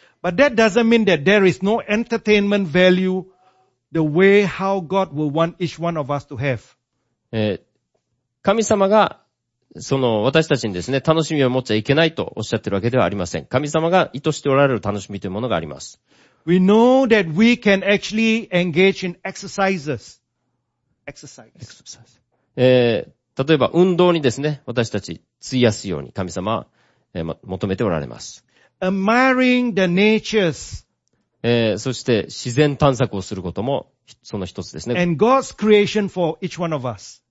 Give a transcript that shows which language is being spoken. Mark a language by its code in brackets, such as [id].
[en] But that doesn't mean that there is no entertainment value. The way how God will want each one of us to have. [ja] 神様がその私たちにですね楽しみを持っちゃいけないとおっしゃってるわけではありません。神様が意図しておられる楽しみというものがあります。 [en] We know that we can actually engage in exercises. Exercise. [ja] 例えば運動にですね私たち費やすように神様は、求めておられます。 [en] Admiring the natures [ja] そして自然探索をすることもその一つですね。 [en] And God's creation for each one of us.